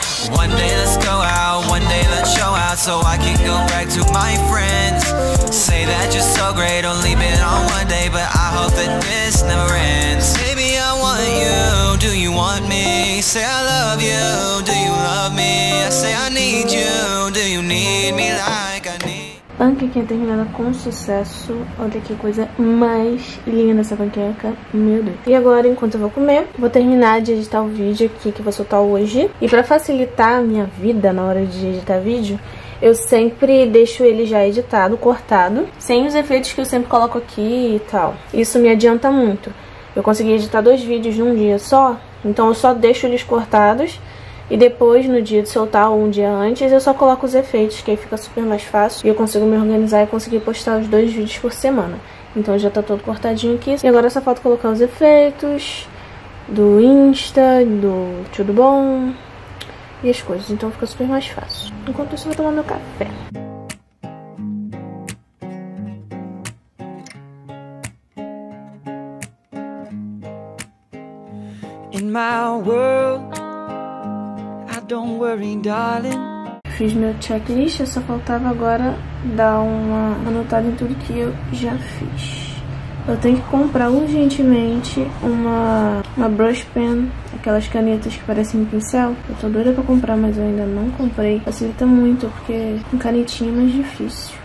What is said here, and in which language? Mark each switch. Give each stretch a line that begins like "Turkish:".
English: One day let's go out, one day let's show out, so I can go back to my friends. Say that you're so great, only been on one day, but I hope that this never ends. Baby, I want you, do you want me? Say I love you, do you love me? I say I need you, do you need me like I need.
Portuguese: Panqueca terminada com sucesso. Olha que coisa mais linda essa panqueca. Meu Deus. E agora, enquanto eu vou comer, vou terminar de editar o vídeo aqui que eu vou soltar hoje. E pra facilitar a minha vida na hora de editar vídeo, eu sempre deixo ele já editado, cortado, sem os efeitos que eu sempre coloco aqui e tal. Isso me adianta muito. Eu consegui editar dois vídeos num dia só, então eu só deixo eles cortados. E depois, no dia de soltar ou um dia antes, eu só coloco os efeitos, que aí fica super mais fácil. E eu consigo me organizar e conseguir postar os dois vídeos por semana. Então já tá todo cortadinho aqui. E agora só falta colocar os efeitos do Insta, do Tudo Bom e as coisas. Então fica super mais fácil. Enquanto isso, eu vou tomar meu café.
English: In my world, don't worry, darling.
Portuguese: Fiz meu checklist, só faltava agora dar uma anotada em tudo que eu já fiz. Eu tenho que comprar urgentemente uma brush pen, aquelas canetas que parecem um pincel. Eu tô doida pra comprar, mas eu ainda não comprei. Facilita muito, porque com canetinha é mais difícil.